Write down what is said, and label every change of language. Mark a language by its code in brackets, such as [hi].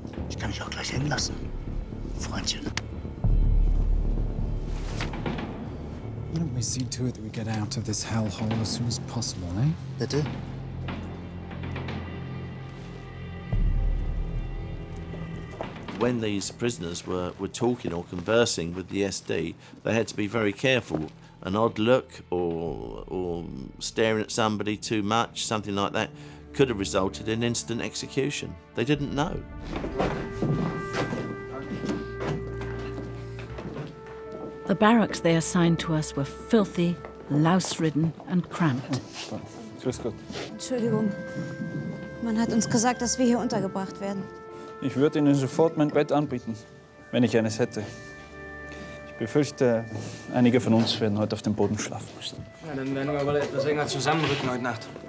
[de] Ich kann mich auch gleich hängen lassen, Freundchen. [en] Why don't we see to it that we get out of this hellhole as soon as possible, eh? [de] Bitte? [en] When these prisoners were talking or conversing with the SD, they had to be very careful. An odd look or staring at somebody too much, something like that, could have resulted in instant execution. They didn't know. The barracks they assigned to us were filthy, louse-ridden and cramped. [de] Grüß Gott. Entschuldigung. Man hat uns gesagt, dass wir hier untergebracht werden. Ich würde Ihnen sofort mein Bett anbieten, wenn ich eines hätte. Ich befürchte, einige von uns werden heute auf dem Boden schlafen müssen. Ja, dann werden wir aber etwas enger zusammenrücken heute Nacht.